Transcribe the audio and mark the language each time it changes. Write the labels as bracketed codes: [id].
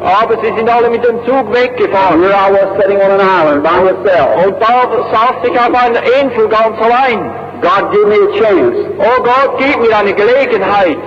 [de] Aber sie sind alle mit dem Zug weggefahren. [en] Here I was sitting on an island by myself. [de] Und da saß ich auf einer Insel ganz allein. [en] God gave me a chance. [de] Oh Gott, gib mir eine Gelegenheit.